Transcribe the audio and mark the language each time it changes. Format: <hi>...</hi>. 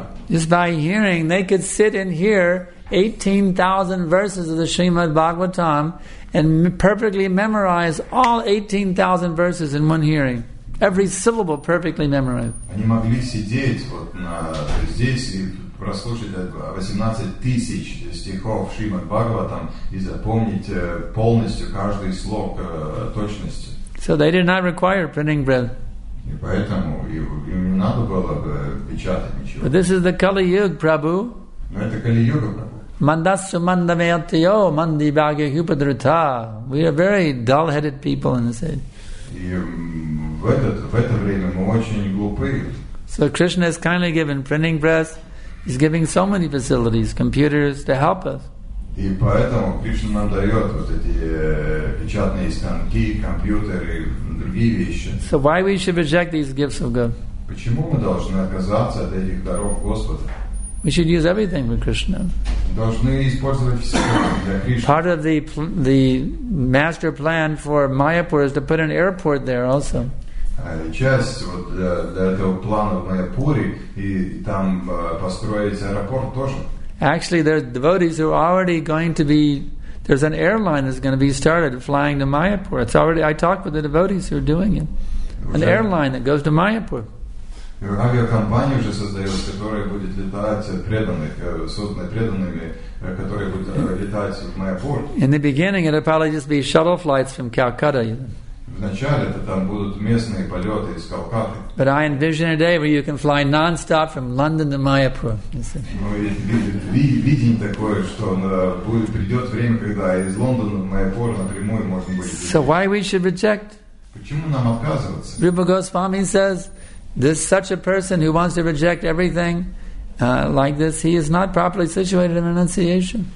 <en>Just by hearing, they could sit and hear 18,000 verses of the Srimad Bhagavatam and perfectly memorize all 18,000 verses in one hearing. Every syllable perfectly memorized.</en> <ru>Они могли сидеть вот здесь и прослушать 18,000 стихов Шримад Бхагаватам и запомнить полностью каждый слог точности.</ru> <en>So they did not require printing press.</en> <ru>И поэтому им не надо было бы печатать ничего.</ru> <en>But this is the Kali Yuga, Prabhu.</en> <ru>Но это Kali Yuga, Prabhu.</ru> <sa>Mandasu mandamayatyo mandi bhagya hupadrita.</sa> <en>We are very dull-headed people in this age.</en> <ru>И в это время мы очень глупые.</ru> <en>So Krishna has kindly given printing press. He's giving so many facilities, computers, to help us.</en> <ru>И поэтому Кришна нам дает вот эти печатные станки, компьютеры, другие вещи.</ru> <en>So why we should reject these gifts of God?</en> <ru>Почему мы должны отказаться от этих даров Господа?</ru> <en>We should use everything for Krishna.</en> <ru>Должны использовать все для Кришны.</ru> <en>Part of the master plan for Mayapur is to put an airport there also.</en> <ru>Часть вот для этого плана в Майяпуре и там построить аэропорт тоже.</ru> <en>Actually, there are devotees who are already going to be. There's an airline that's going to be started flying to Mayapur. It's already. I talked with the devotees who are doing it. An airline that goes to Mayapur.</en> <ru>Авиакомпания уже создается, которая будет летать созданными преданными, которые будут летать в Майяпур.</ru> <en>In the beginning, it'll probably just be shuttle flights from Calcutta.</en> <ru>В вначале это там будут местные полеты из Калькутты.</ru> <en>But I envision a day where you can fly non-stop from London to Mayapur.</en> <ru>Ну видение такое, что будет придет время, когда из Лондона в Майяпур напрямую можно будет.</ru> <en>So why we should reject?</en> <ru>Почему нам отказываться?</ru> <en>Rupa Goswami says, this such a person who wants to reject everything. Like this, he is not properly situated in renunciation.</en>